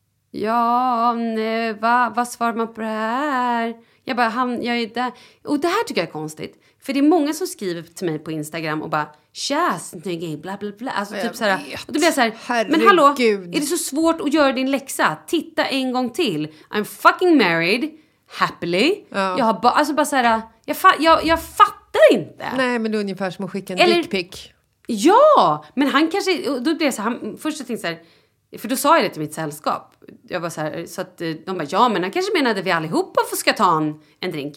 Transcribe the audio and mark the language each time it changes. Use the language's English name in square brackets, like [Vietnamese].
[Swedish] Ja, nej, vad svarar man på det här? Jag bara, jag är där. Och det här tycker jag är konstigt. För det är många som skriver till mig på Instagram och bara, tja, snyggig, bla bla bla. Alltså jag typ såhär. Och då blir jag såhär, men hallå, är det så svårt att göra din läxa? Titta en gång till. [English] I'm fucking married, happily. [Swedish] Ja. Jag har alltså bara såhär, jag fattar inte. Nej, men det är ungefär som att skicka en eller, dick pic. Ja, men han kanske, då blir jag såhär, först så tänkte jag såhär. För då sa jag det till mitt sällskap. Jag bara så här, så att de bara, ja men han kanske menade vi allihopa får ska ta en drink.